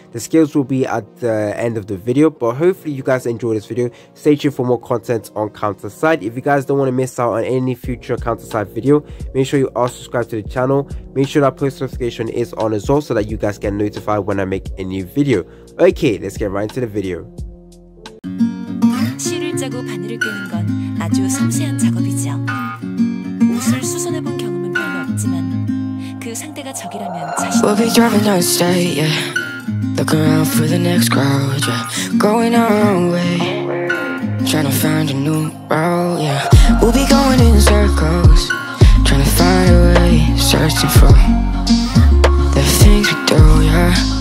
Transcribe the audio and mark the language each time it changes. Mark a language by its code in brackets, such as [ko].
[en] The skills will be at the end of the video, but hopefully you guys enjoy this video. Stay tuned for more content on Counter Side. If you guys don't want to miss out on any future Counter Side video, make sure you are subscribed to the channel. Make sure that post notification is on as well so that you guys get notified when I make a new video. Okay, let's get right into the video. [ko] 실을 짜고 바늘을 끼는 건 아주 섬세한 작업이죠. 옷을 수선해 본 경험은 별로 없지만 그 상대가 적이라면 자신. [en] We'll be driving down the street, yeah. Looking around for the next crowd, yeah. Going our own way, trying to find a new route, yeah. We'll be going in circles, trying to find a way, searching for the things we do, yeah.